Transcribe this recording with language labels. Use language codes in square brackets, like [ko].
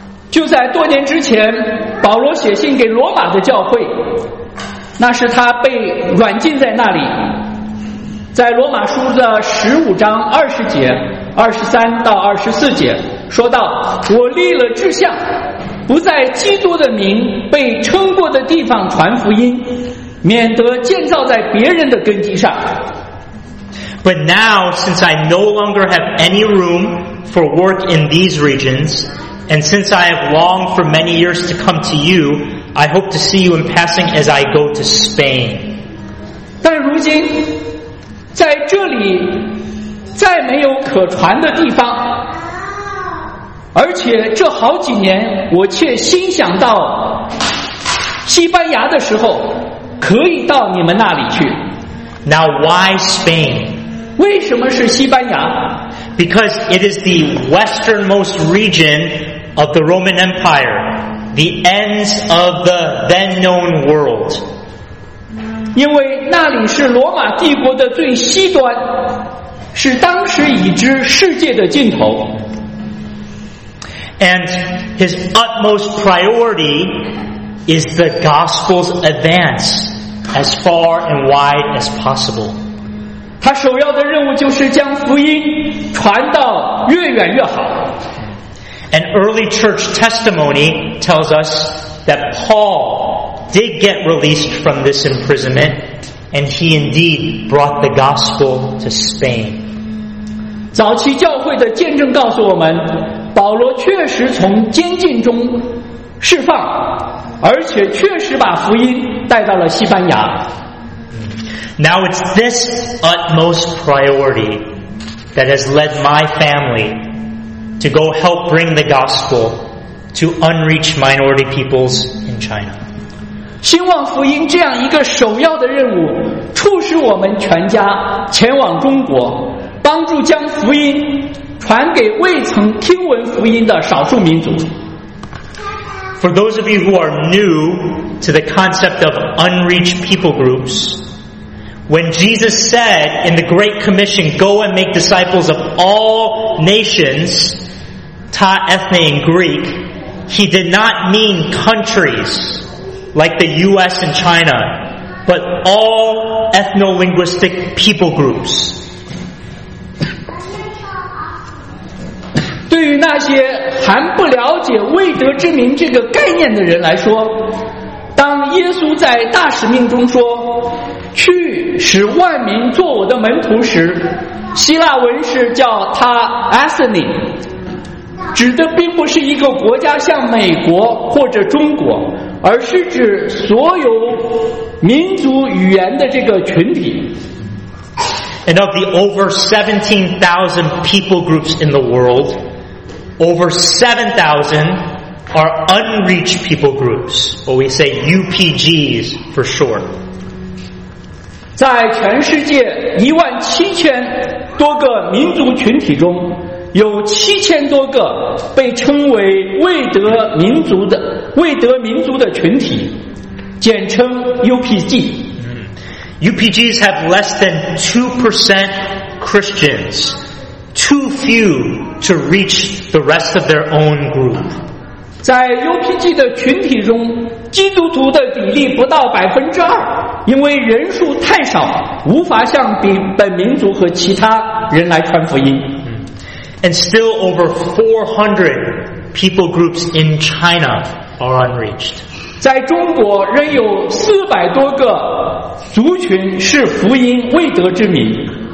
[zh] 就在多年之前，保罗写信给罗马的教会，那是他被软禁在那里，在罗马书的十五章二十节、二十三到二十四节，说道：“我立了志向，不在基督的名被称过的地方传福音，免得建造在别人的根基上。” [en] But now, since I no longer have any room for work in these regions, and since I have longed for many years to come to you, I hope to see you in passing as I go to Spain. [zh] 但如今，在这里再没有可传的地方，而且这好几年我却心想到西班牙的时候，可以到你们那里去。 [en] Now, why Spain? [zh] 为什么是西班牙？ [en] Because it is the westernmost region of the Roman Empire, the ends of the then known world. [zh] 因为那里是罗马帝国的最西端，是当时已知世界的尽头。 [en] And his utmost priority is the gospel's advance as far and wide as possible. [zh] 他首要的任务就是将福音传到越远越好。 [en] An early church testimony tells us that Paul did get released from this imprisonment, and he indeed brought the gospel to Spain. [zh] 早期教会的见证告诉我们，保罗确实从监禁中释放，而且确实把福音带到了西班牙。 [en] Now it's this utmost priority that has led my family to go help bring the gospel to unreached minority peoples in China. [zh] 希望福音这样一个首要的任务促使我们全家前往中国，帮助将福音传给未曾听闻福音的少数民族。 [en] For those of you who are new to the concept of unreached people groups, when Jesus said in the Great Commission, go and make disciples of all nations, ta ethne in Greek, he did not mean countries like the US and China, but all ethno-linguistic people groups. [zh] 对于那些还不了解未得之名这个概念的人来说，当耶稣在大使命中说去使万民做我的门徒时，希腊文是叫他 ethne， 指的并不是一个国家像美国或者中国，而是指所有民族语言的这个群体。 [en] And of the over 17,000 people groups in the world, over 7,000 are unreached people groups, or we say UPGs for short. [zh] 在全世界17,000多个民族群体中，有7,000多个被称为未得民族的群体，简称 UPG. [en] UPGs have less than 2% Christians, too few to reach the rest of their own group. [zh] 在 UPG 的群体中，基督徒的比例不到 2%， 因为人数太少，无法向本民族和其他人来传福音。 [en] And still over 400 people groups in China are unreached. [zh] 在中国仍有400多个族群是福音未得之名。